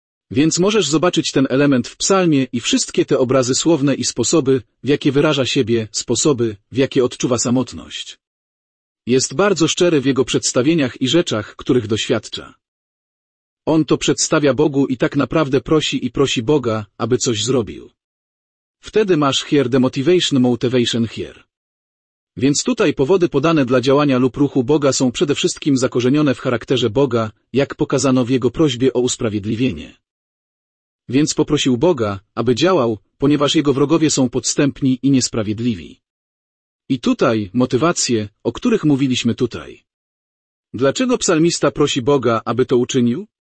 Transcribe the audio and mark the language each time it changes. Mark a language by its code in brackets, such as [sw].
[pl] Więc możesz zobaczyć ten element w psalmie i wszystkie te obrazy słowne i sposoby, w jakie wyraża siebie, sposoby, w jakie odczuwa samotność. Jest bardzo szczery w jego przedstawieniach i rzeczach, których doświadcza. On to przedstawia Bogu i tak naprawdę prosi i prosi Boga, aby coś zrobił. Wtedy masz [en] here the motivation, motivation here. [pl] Więc tutaj powody podane dla działania lub ruchu Boga są przede wszystkim zakorzenione w charakterze Boga, jak pokazano w jego prośbie o usprawiedliwienie. Więc poprosił Boga, aby działał, ponieważ jego wrogowie są podstępni i niesprawiedliwi. I tutaj, motywacje, o których mówiliśmy tutaj. Dlaczego psalmista prosi Boga, aby to uczynił?